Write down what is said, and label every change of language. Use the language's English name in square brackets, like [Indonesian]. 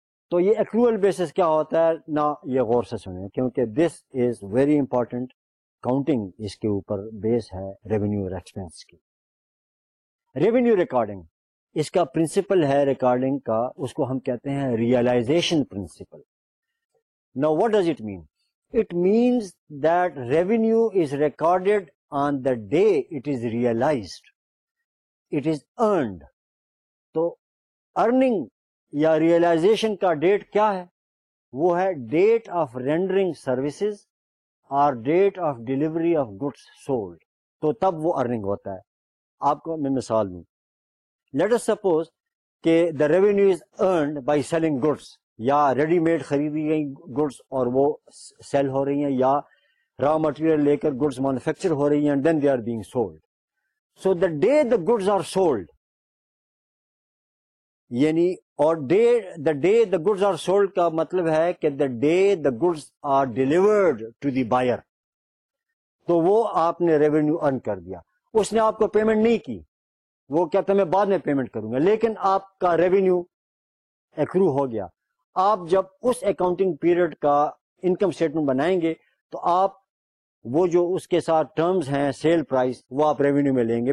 [Urdu] تو یہ accrual basis کیا ہوتا ہے نا, یہ غور سے سنیں کیونکہ [English] This is very important. [Urdu] کاؤنٹنگ اس کے اوپر بیس ہے ریونیو اور ایکسپینس کی. ریونیو ریکارڈنگ, اس کا پرنسپل ہے ریکارڈنگ کا, اس کو ہم کہتے ہیں ریئلائزیشن پرنسپل. [English] نا what does it mean? It means that revenue is recorded on the day it is realised, it is earned. [Urdu] تو ارننگ یا ریئلائزیشن کا ڈیٹ کیا ہے؟ وہ ہے [English] date of rendering services [Urdu] اور [English] date of delivery of goods sold, [Urdu] تو تب وہ ارننگ ہوتا ہے. آپ کو میں مثال دوں, [English] let us suppose [Urdu] کہ [English] the revenue is earned by selling goods, [Urdu] یا ریڈی میڈ خریدی گئی گڈس اور وہ سیل ہو رہی ہیں, یا را مٹیریل لے کر گڈس مینوفیکچر ہو رہی ہیں, [English] Then they are being sold. So the day the goods are sold, [Urdu] یعنی اور [English] day the goods are sold [Urdu] کا مطلب ہے کہ [English] the day the goods are delivered to the buyer, [Urdu] تو وہ آپ نے ریونیو ارن کر دیا, اس نے آپ کو پیمنٹ نہیں کی, وہ کہتا میں بعد میں پیمنٹ کروں گا, لیکن آپ کا ریونیو ایکرو ہو گیا. آپ جب اس اکاؤنٹنگ پیریڈ کا انکم اسٹیٹمنٹ بنائیں گے تو آپ وہ جو اس کے ساتھ ٹرمز ہیں سیل پرائز وہ آپ ریونیو میں لیں گے.